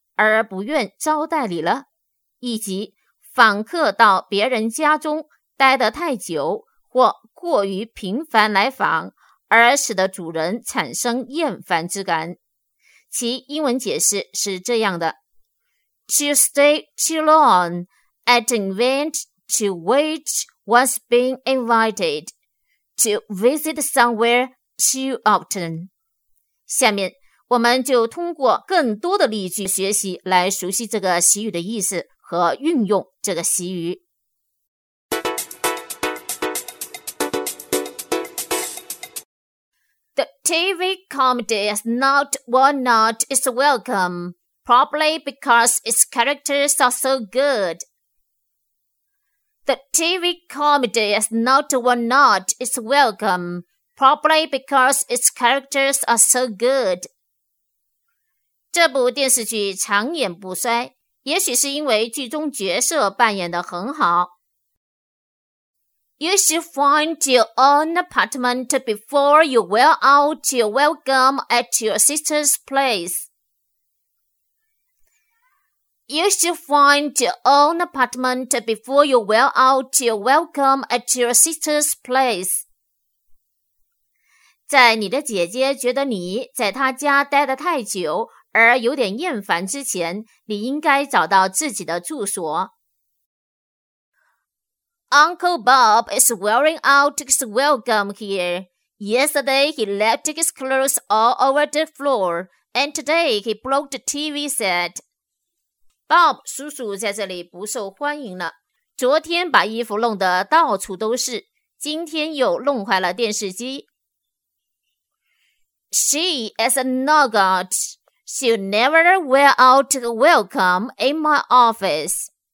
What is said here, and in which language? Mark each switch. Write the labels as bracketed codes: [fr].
[zh] 而不愿招待你了，以及访客到别人家中待得太久或过于频繁来访而使得主人产生厌烦之感。其英文解释是这样的 [en] To stay too long at an event to which one's been invited to visit somewhere too often. [zh] 下面我们就通过更多的例句学习来熟悉这个习语的意思和运用这个习语。 [en] The TV comedy is not worn out is welcome, probably because its characters are so good. The TV comedy is not worn out is welcome, probably because its characters are so good. [zh] 这部电视剧长演不衰，也许是因为剧中角色扮演得很好。 [en] You should find your own apartment before you wear out your welcome at your sister's place. You should find your own apartment before you wear out your welcome at your sister's place. [zh] 在你的姐姐觉得你在她家待得太久而有点厌烦之前，你应该找到自己的住所。 [en] Uncle Bob is wearing out his welcome here. Yesterday he left his clothes all over the floor, and today he broke the TV set. [zh] Bob 叔叔在这里不受欢迎了，昨天把衣服弄得到处都是，今天又弄坏了电视机。 [en] She is a no-good. She'll never wear out her welcome in my office.